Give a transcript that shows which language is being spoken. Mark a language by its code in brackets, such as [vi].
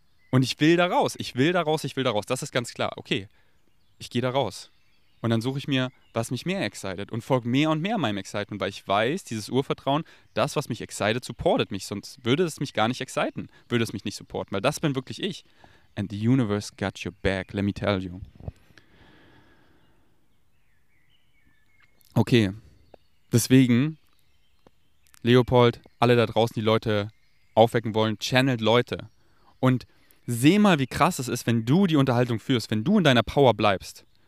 [de] Und ich will da raus, ich will da raus, ich will da raus. Das ist ganz klar. Okay, ich gehe da raus. Und dann suche ich mir, was mich mehr excited und folge mehr und mehr meinem Excitement, weil ich weiß, dieses Urvertrauen, das, was mich excited, supportet mich. Sonst würde es mich gar nicht exciten, würde es mich nicht supporten, weil das bin wirklich ich. [en] And the universe got your back, let me tell you. [de] Okay, deswegen, Leopold, alle da draußen, die Leute aufwecken wollen, channelt Leute. Und seh mal, wie krass es ist, wenn du die Unterhaltung führst, wenn du in deiner Power bleibst.